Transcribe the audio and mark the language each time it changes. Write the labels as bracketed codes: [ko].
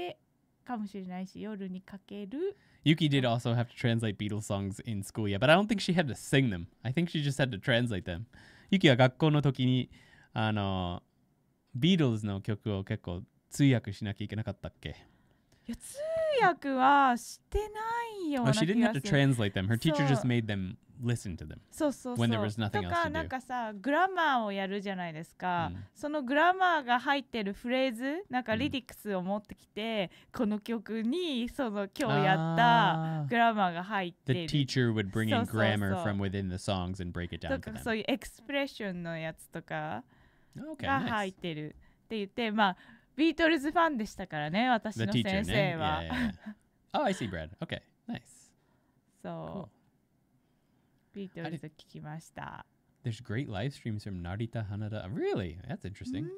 [ja] ありがとうございます。多分夜にかけるんじゃないかな。違うかな。夜にかけてるのかな。夜にかけてるのかな。かける?かけるじゃ、わかんない。わかんない。ちょっと調べてみた方がいいですね。夜にかけてかもしれないし、夜にかける。Yuki [en] did also have to translate Beatles songs in school, yeah, but I don't think she had to sing them. I think she just had to translate them. [ja] Yuki は学校の時に、あの、Beatles の曲を結構通訳しなきゃいけなかったっけ? [en] Well, she didn't have to translate them. Her teacher just made them listen to them. [ja] そう。 [en] When there was nothing else to do. [ja] とかなんかさ、グラマーをやるじゃないですか。そのグラマーが入ってるフレーズ、なんかリリックスを持ってきて、この曲にその今日やったグラマーが入ってる。 [en] The teacher would bring in grammar from within the songs and break it down for them. [ja] そういうエクスプレッションのやつとかが入ってるって言って、まあ。ビートルズファンでしたからね、私の先生は。 [en] Yeah, yeah, yeah. Oh, I see, Brad. Okay, nice. [ja] So, ビートルズ聞きました。 [en] There's great live streams from Narita Hanada. Really? That's interesting.